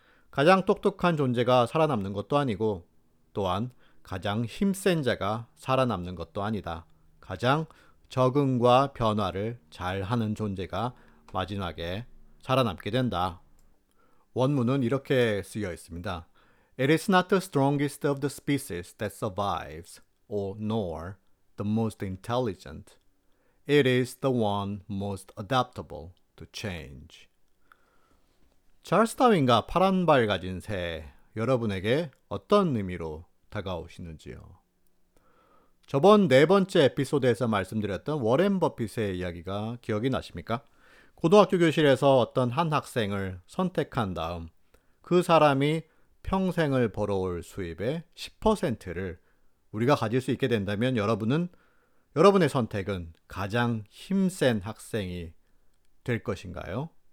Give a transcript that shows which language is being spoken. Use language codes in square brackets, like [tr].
[ko] 가장 똑똑한 존재가 살아남는 것도 아니고 또한 가장 힘센 자가 살아남는 것도 아니다. 가장 적응과 변화를 잘하는 존재가 마지막에 살아남게 된다. 원문은 이렇게 쓰여 있습니다. [en] It is not the strongest of the species that survives, or nor the most intelligent. It is the one most adaptable to change. [ko] 찰스 다윈과 파란 발 가진 새, 여러분에게 어떤 의미로 다가오시는지요? 저번 네 번째 에피소드에서 말씀드렸던 워렌 버핏의 이야기가 기억이 나십니까? 고등학교 교실에서 어떤 한 학생을 선택한 다음 그 사람이 평생을 벌어올 수입의 10%를 우리가 가질 수 있게 된다면 여러분의 선택은 가장 힘센 학생이 될 것인가요?